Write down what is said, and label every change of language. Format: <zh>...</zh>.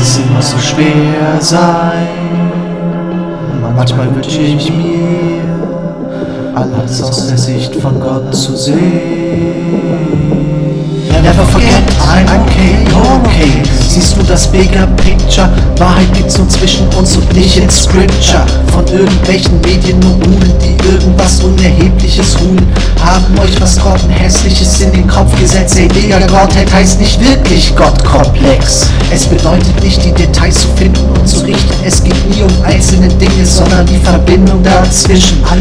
<de>Immer so schwer sein. Manchmal wünsche ich mir, alles aus der Sicht von Gott zu sehen.</de> <en>Never forget, I'm okay, you're okay.</en> <de>Siehst du das</de> <en>bigger picture?</en> <de>Wahrheit gibt's nur zwischen uns und nicht in Scripture. Von irgendwelchen Medienmogulen, die irgendwas Unerhebliches ruhen, haben euch was Grottenhässliches in den Kopf gesetzt. Ey Digga, Gottheit heißt nicht wirklich Gottkomplex. Es bedeutet nicht, die Details zu finden und zu richten. Es geht nie um einzelne Dinge, sondern die Verbindung dazwischen.</de>